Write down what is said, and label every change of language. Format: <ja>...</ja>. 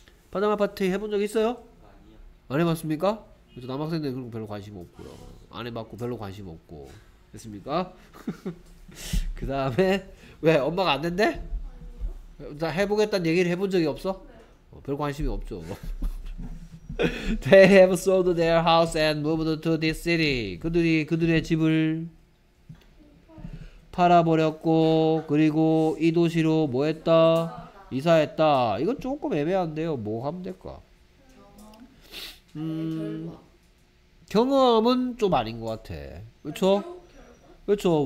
<ko>파자마 파티 해본 적 있어요? 아니요. 안 해봤습니까? 그래서 남학생들 그런 거 별로 관심 없고요. 안 해봤고 별로 관심 없고. 됐습니까? 그 다음에 왜 엄마가 안 된대? 아니요. 나 해보겠다는 얘기를 해본 적이 없어? 네. 별 관심이 없죠.</ko> <en>They have sold their house and moved to this city.</en> <ko>그들이 그들의 집을 팔아버렸고 그리고 이 도시로 뭐 했다? 이사했다. 이건 조금 애매한데요. 뭐 하면 될까? 경험은 좀 아닌 것 같아. 그렇죠? 그렇죠.</ko>